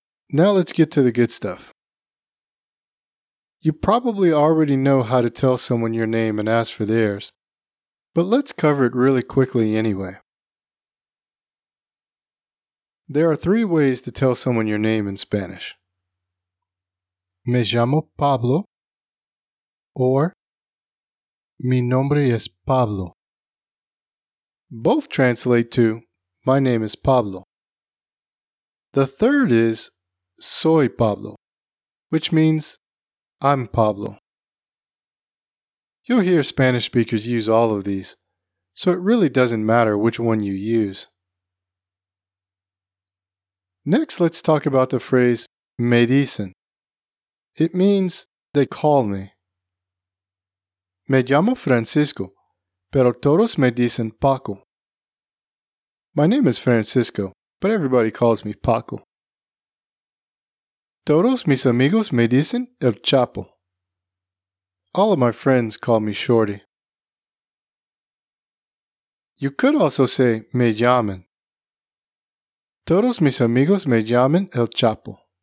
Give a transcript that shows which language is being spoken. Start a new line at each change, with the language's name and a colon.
English: Now let's get to the good stuff. You probably already know how to tell someone your name and ask for theirs, but let's cover it really quickly anyway. There are three ways to tell someone your name in Spanish.
Spanish: Me llamo Pablo, or mi nombre es Pablo.
English: Both translate to, my name is Pablo. The third is,
Spanish: soy Pablo,
English: which means, I'm Pablo. You'll hear Spanish speakers use all of these, so it really doesn't matter which one you use. Next, let's talk about the phrase, me dicen. It means, they call me.
Spanish: Me llamo Francisco, pero todos me dicen Paco.
English: My name is Francisco, but everybody calls me Paco.
Spanish: Todos mis amigos me dicen
English: El Chapo. All of my friends call me Shorty. You could also say
Spanish: me llaman. Todos mis amigos me llaman El Chapo.